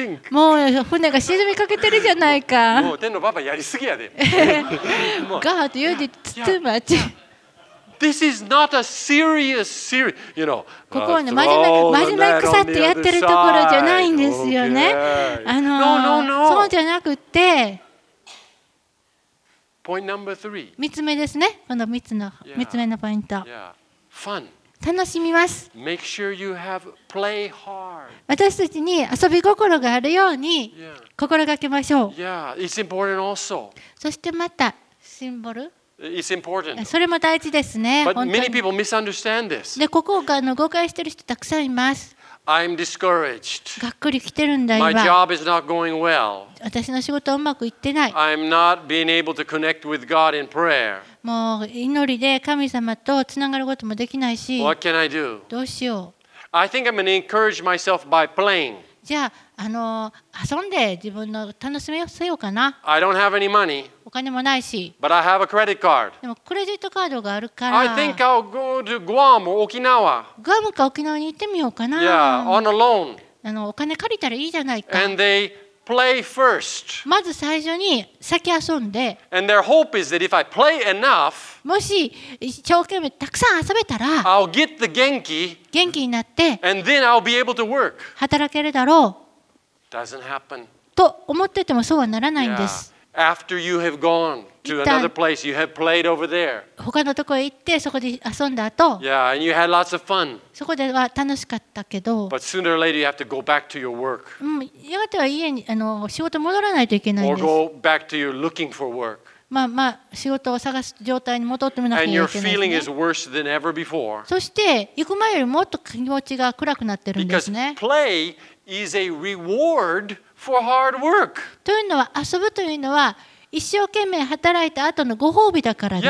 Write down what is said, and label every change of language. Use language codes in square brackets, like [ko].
[ja] もう船が沈みかけてるじゃないか。もう天のパパやりすぎやで。 [en] God, you did too much. This is not a serious series, you know. [ja] ここはね真面目腐ってやってるところじゃないんですよね。そうじゃなくて。 [en] Point number three. [ja] 三つ目ですね。この三つ目のポイント。 [en] Fun. [ja] 楽しみます。 [en] Make sure you have play hard. [ja] 私たちに遊び心があるように心がけましょう。 [en] Yeah, it's important also. [ja] そしてまたシンボル。 [en] It's important. [ja] それも大事ですね。 [en] But many people misunderstand this. [ja] で、ここが誤解してる人たくさんいます。 [en] I'm discouraged. [ja] がっくり来てるんだ今。 [en] My job is not going well. [ja] 私の仕事うまくいってない。 [en] I'm not being able to connect with God in prayer. [ja] もう祈りで神様とつながることもできないし、どうしよう。 [en] I think I'm going to encourage myself by playing. [ja] じゃあ、遊んで自分の楽しみをせようかな。 [en] I don't have any money. [ja] お金もないし。 [en] But I have a credit card. [ja] でもクレジットカードがあるから。 [en] I think I'll go to Guam or Okinawa. [ja] グアムか沖縄に行ってみようかな。 [en] Yeah, on a loan. [ja] お金借りたらいいじゃないか。 [en] And they play first. [ja] まず最初に先遊んで。 [en] And their hope is that if I play enough, [ja] もし一生懸命たくさん遊べたら、 [en] I'll get the [ja] 元気になって、 [en] and then I'll be able to work. [ja] 働けるだろう。 [en] Doesn't happen. [ja] と思っててもそうはならないんです。 [en] Yeah. After you have gone to another place, you have played over there. [ja] 他のところへ行ってそこで遊んだ後、 [en] yeah, and you had lots of fun. [ja] そこでは楽しかったけど、 [en] but sooner or later you have to go back to your work. [ja] やがては家に仕事戻らないといけないんです。 [en] Or go back to your looking for work. [ja] まあ仕事を探す状態に戻ってもなきゃいけないですね。そして行く前よりもっと気持ちが暗くなってるんですね。 [en] Because play is a reward for hard work. [ja] というのは遊ぶというのは一生懸命働いた後のご褒美だからです。